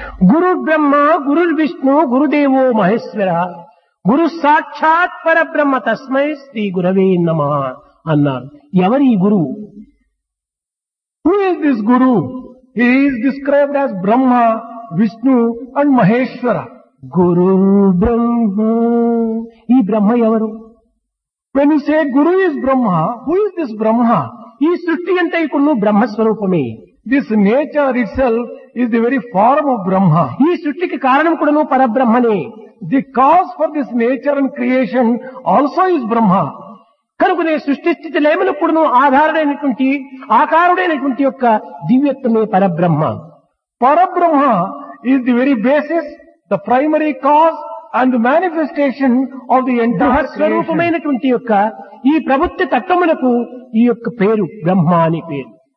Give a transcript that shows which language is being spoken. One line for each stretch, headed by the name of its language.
Sanskrit: గురు బ్రహ్మ, గురు విష్ణు, గురుదేవో మహేశ్వర, గురు సాక్షాత్ పరబ్రహ్మ, తస్మై శ్రీ గురవే నమః అన్నారు.
Telugu: ఎవరి గురు?
English: Who is this guru? He is described as Brahma, Vishnu and Maheshwara.
Telugu: Guru Brahma. Ee Brahma evaru?
English: When you say Guru is Brahma, who is this Brahma?
Telugu: Ee srushti antaikunu Brahma swaroopame.
English: This nature itself is the very form of Brahma.
Telugu: Ee srushti ki karanam kudanu parabrahmane.
English: The cause for this nature and creation also is Brahma.
Telugu: కనుకనే సృష్టి స్థితి లేమనప్పుడు ఆధారుడైనటువంటి, ఆకారుడైనటువంటి యొక్క దివ్యత్వమే పరబ్రహ్మ.
English: Parabrahma is the very basis, the primary cause and manifestation of the entire
Telugu: స్వరూపమైనటువంటి యొక్క ఈ ప్రభుత్వ తత్వమునకు ఈ యొక్క పేరు బ్రహ్మ అనే పేరు.